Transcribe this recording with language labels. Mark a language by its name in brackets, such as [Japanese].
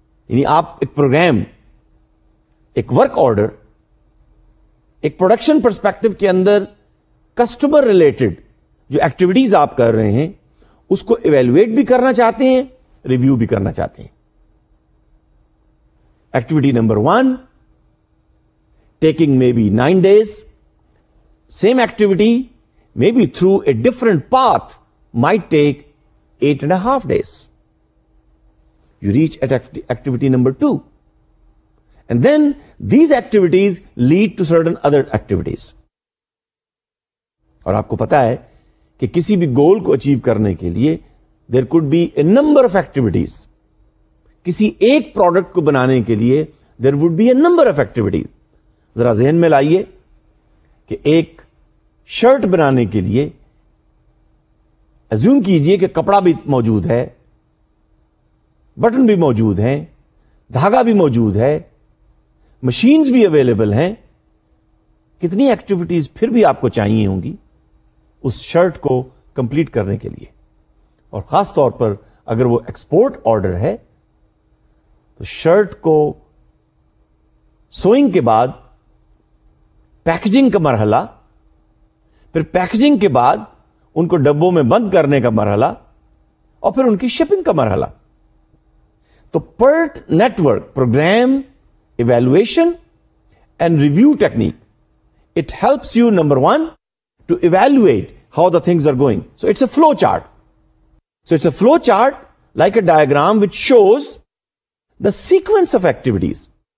[Urdu] یعنی آپ ایک پروگرام, ایک ورک آرڈر, ایک پروڈکشن پرسپیکٹو کے اندر کسٹمر ریلیٹڈ جو ایکٹیویٹیز آپ کر رہے ہیں اس کو ایویلویٹ بھی کرنا چاہتے ہیں, ریویو بھی کرنا چاہتے ہیں. [English] Activity number 1 taking may be 9 days, same activity may be through a different path might take 8.5 days. You reach at activity number 2. And then these activities lead to certain other activities. [Urdu] اور آپ کو پتا ہے کہ کسی بھی گول کو achieve کرنے کے لیے [English] there could be a number of activities. [Urdu] کسی ایک پروڈکٹ کو بنانے کے لیے [English] there would be a number of activities. [Urdu] ذرا ذہن میں لائیے کہ ایک شرٹ بنانے کے لیے assume کیجئے کہ کپڑا بھی موجود ہے, بٹن بھی موجود ہیں, دھاگا بھی موجود ہے, مشینز بھی اویلیبل ہیں, کتنی ایکٹیویٹیز پھر بھی آپ کو چاہیے ہوں گی اس شرٹ کو کمپلیٹ کرنے کے لیے, اور خاص طور پر اگر وہ ایکسپورٹ آرڈر ہے تو شرٹ کو سوئنگ کے بعد پیکجنگ کا مرحلہ, پھر پیکجنگ کے بعد ان کو ڈبوں میں بند کرنے کا مرحلہ, اور پھر ان کی شپنگ کا مرحلہ. [English] تو PERT network, program evaluation and review technique, it helps you number 1 to evaluate how the things are going. So it's a flow chart. So it's a flow chart like a diagram which shows the sequence of activities.